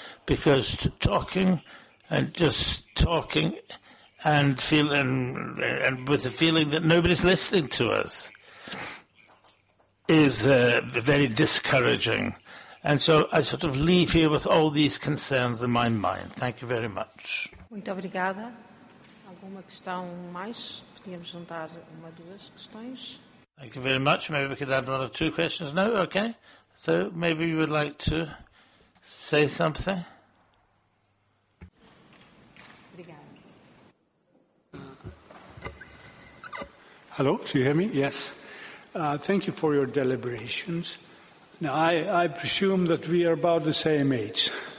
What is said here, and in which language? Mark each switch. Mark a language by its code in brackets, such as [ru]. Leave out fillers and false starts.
[en] Because talking and just talking and feeling and with the feeling that nobody's listening to us is very discouraging. And so I sort of leave here with all these concerns in my mind. Thank you very much. [pt] Muito obrigada. Alguma questão mais? Podíamos juntar uma ou duas questões. [en] Thank you very much. Maybe we could add one or two questions. No? Okay. So maybe you would like to say something? [pt] Obrigada. [en] Hello? Do you hear me? Yes. Thank you for your deliberations. Now, I presume that we are about the same age.